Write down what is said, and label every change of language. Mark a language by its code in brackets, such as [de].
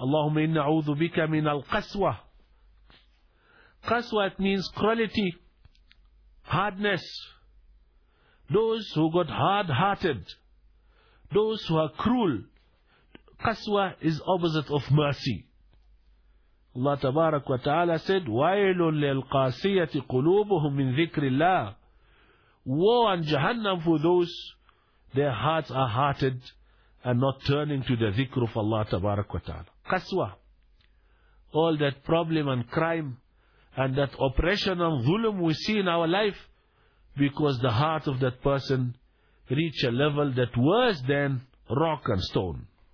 [ar] Allahumma inna a'udhu bika min al-qaswa. [en] Qaswa, it means cruelty, hardness. Those who got hard-hearted, those who are cruel, qaswa is opposite of mercy. [ar] Allah tabarak wa ta'ala said, وَيْلٌ لِلْقَاسِيَةِ قُلُوبُهُمْ مِنْ ذِكْرِ اللَّهِ. [en] Woe and jahannam for those, their hearts are hearted and not turning to the dhikr of Allah tabarak wa ta'ala. Qaswa, all that problem and crime, and that oppression and zulm we see in our life, because the heart of that person reach a level that worse than rock and stone.